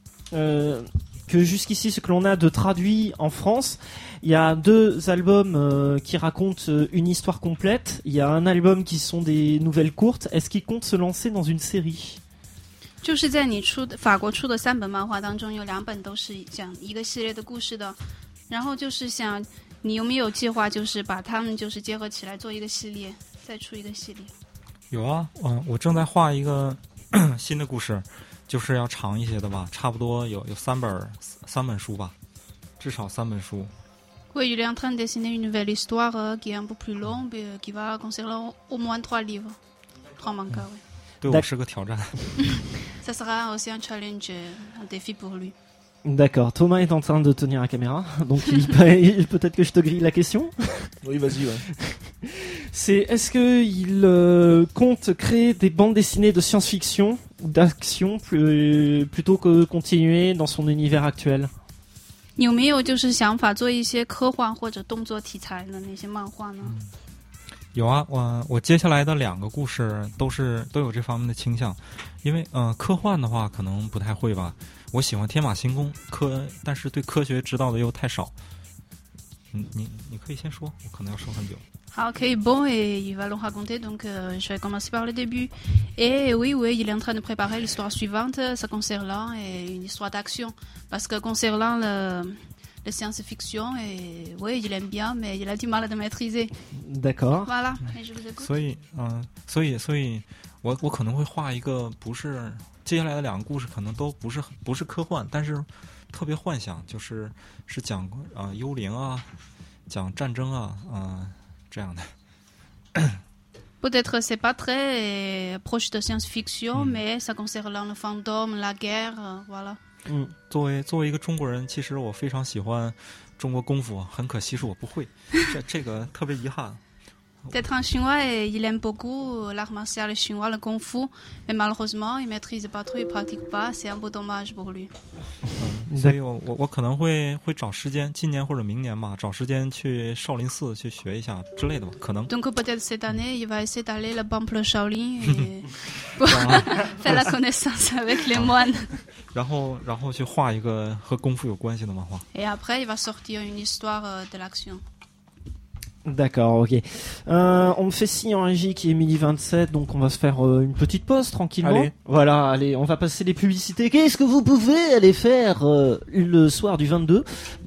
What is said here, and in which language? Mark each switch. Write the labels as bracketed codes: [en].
[fr] que jusqu'ici, ce que l'on a de traduit en France. Il y a deux albums qui racontent une histoire complète. Il y a un album qui sont des nouvelles courtes. Est-ce qu'ils comptent se lancer dans une série ? [zh] 就是在你出的法国出的三本漫画当中，有两本都是讲一个系列的故事的，然后就是想你有没有计划，就是把他们就是结合起来做一个系列，再出一个系列。有啊，我正在画一个新的故事，就是要长一些的吧，差不多有三本书吧，至少三本书。 [fr] Oui, il est en train de dessiner une nouvelle histoire qui est un peu plus longue, qui va concerner au moins trois livres, trois mangas, oui. [zh] 对我是个挑战。 [fr] Ça sera aussi un challenge, un défi pour lui. D'accord, Thomas est en train de tenir la caméra, donc peut-être que je te grille la question. Oui, vas-y, ouais. Est-ce qu'il compte créer des bandes dessinées de science-fiction ou d'action plutôt que continuer dans son univers actuel ? Il y a des idées pour faire des films de science-fiction ou des films d'action dans ces mangas ? [zh] 有啊，我接下来的两个故事都有这方面的倾向，因为科幻的话可能不太会吧。我喜欢天马行空但是对科学知道的又太少。你可以先说，我可能要说很久。好，可以 [fr] bon et il va nous raconter donc je vais commencer par le début. Et oui, il est en train de préparer l'histoire suivante, ça concernant et une histoire d'action, parce que concernant le science-fiction, et oui, il aime bien, mais il a du mal à le maîtriser. D'accord. Voilà, mais je vous écoute. Donc, je vais peut-être faire une... Les deux histoires suivantes ne sont pas科幻, mais c'est très fantasme, c'est-à-dire qu'il parle de l'幽灵, de la guerre, etc. Peut-être que ce n'est pas très proche de science-fiction, mais ça concerne le fantôme, la guerre, voilà. [zh] 作为一个中国人，其实我非常喜欢中国功夫，很可惜是我不会，这个特别遗憾。 [fr] D'être un chinois, il aime beaucoup l'art martial chinois, le kung fu, mais malheureusement, il maîtrise pas trop, il pratique pas, c'est un peu dommage pour lui. [zh] 所以我可能会找时间，今年或者明年嘛，找时间去少林寺去学一下之类的吧，可能。 [fr] Donc peut-être cette année, il va essayer d'aller le temple Shaolin pour faire la connaissance avec les moines. [zh] 然后去画一个和功夫有关系的漫画。 [fr] Et après, il va sortir une histoire de l'action. D'accord, ok. On me fait signe en régie qui est 12h27, donc on va se faire une petite pause tranquillement. Allez. Voilà, allez, on va passer les publicités. Qu'est-ce que vous pouvez aller faire le soir du 22 ?